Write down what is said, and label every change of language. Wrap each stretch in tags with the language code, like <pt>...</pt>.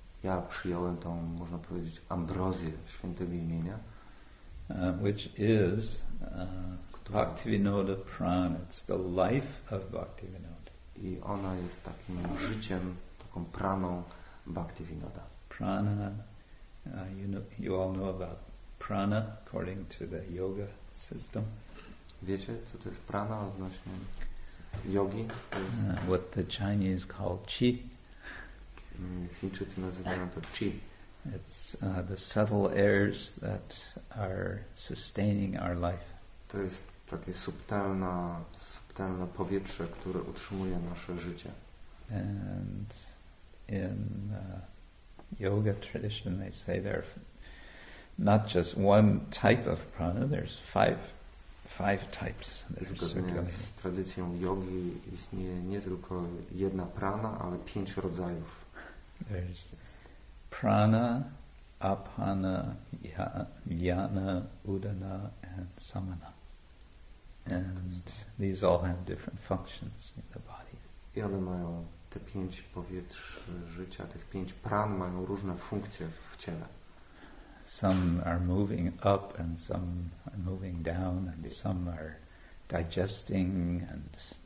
<pl>Ja przyjąłem tą, można powiedzieć, ambrozję świętego imienia.</pl> <en>Which is Bhaktivinoda Prana. It's the life of Bhaktivinoda.</en> <pl>I ona jest takim życiem, taką praną Bhaktivinoda.</pl> <en>Prana, you know, you all know about prana according to the yoga system.</en> <pl>Wiecie, co to jest prana odnośnie jogi?</pl> <en>What the Chinese call qi.</en> <pl>Chińczycy nazywają to qi.</pl> <en>It's the subtle airs that are sustaining our life.</en> <pl>To jest takie subtelne, subtelne powietrze, które utrzymuje nasze życie.</pl> <en>And in yoga tradition they say there are not just one type of prana, there's five types.</en> <pl>Zgodnie z tradycją jogi istnieje nie tylko jedna prana, ale pięć rodzajów.</pl> <en>There's prana, apana, jnana, udana and samana. And these all have different functions in the body.</en> <pl>I one mają te pięć powietrz życia, tych pięć pran mają różne funkcje w ciele.</pl> <en>Some are moving up and some are moving down and some are digesting and</en>